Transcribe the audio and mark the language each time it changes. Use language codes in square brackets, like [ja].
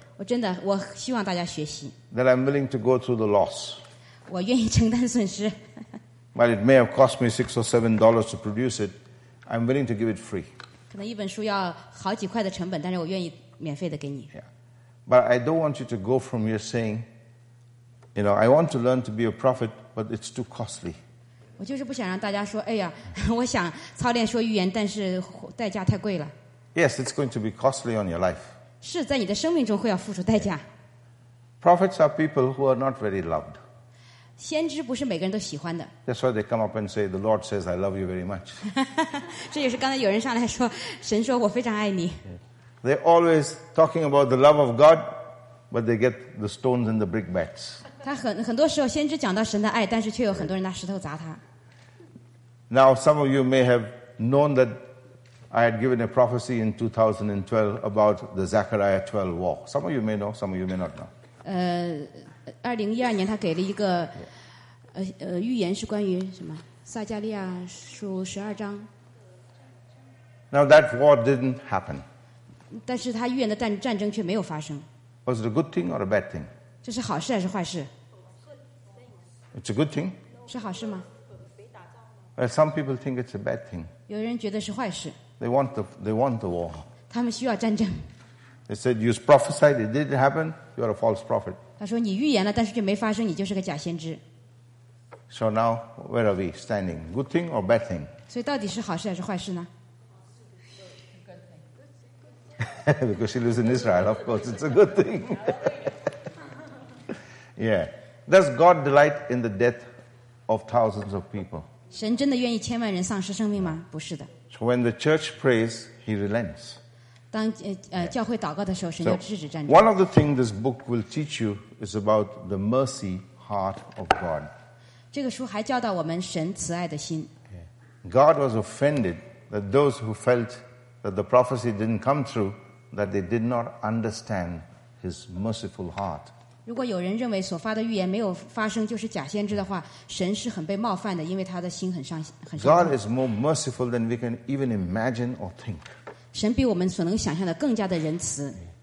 [zh] 我真的，我希望大家学习。 [en] That I'm willing to go through the loss. [zh] 我愿意承担损失。 [en] But it may have cost me $6 or $7 to produce it. I'm willing to give it free. [zh] 可能一本书要好几块的成本，但是我愿意免费的给你。 [en] Yeah. But I don't want you to go from here saying, you know, I want to learn to be a prophet. But it's too costly. [zh] 我就是不想让大家说，哎呀，我想操练说预言，但是代价太贵了。 [en] Yes, it's going to be costly on your life. [zh] 是在你的生命中会要付出代价。 [en] Prophets are people who are not very loved. [zh] 先知不是每个人都喜欢的。 [en] That's why they come up and say, "The Lord says I love you very much." [zh] 这也是刚才有人上来说，神说我非常爱你。 [en] They're always talking about the love of God, but they get the stones and the brickbats. [zh] 他 很多时候先知讲到神的爱，但是却有很多人拿石头砸他。 [en] Now, some of you may have known that I had given a prophecy in 2012 about the Zechariah 12 war. Some of you may know, some of you may not know. [zh] 2012年他给了一个预言是关于什么？撒加利亚书十二章。 [en] Now that war didn't happen. [zh] 但是他预言的战争却没有发生。 [en] Was it a good thing or a bad thing? [zh] 这是好事还是坏事 [en] ？It's a good thing. [zh] 是好事吗 [en] ？Well, some people think it's a bad thing. [zh] 有人觉得是坏事。 [en] They want the war. [zh] 他们需要战争。 [en] They said you prophesied it didn't happen. You are a false prophet. [zh] 他说你预言了，但是就没发生，你就是个假先知。 [en] So now, where are we standing? Good thing or bad thing? [zh] 所以到底是好事还是坏事呢？ [en] Because she lives in Israel, of course, it's a good thing. Yeah. Does God delight in the death of thousands of people? [zh] 神真的愿意千万人丧失生命吗？不是的。 [en] So when the church prays, he relents. [zh] 当教会祷告的时候，神就制止战争。 [en] One of the things this book will teach you is about the mercy heart of God. [zh] 这个书还教导我们神慈爱的心。 [en] God was offended that those who felt that the prophecy didn't come through, that they did not understand his merciful heart. [zh] 如果有人认为所发的预言没有发生就是假先知的话，神是很被冒犯的，因为他的心很伤。 [en] God is more merciful than we can even imagine or think. [zh] 神比我们所能想象的更加的仁慈。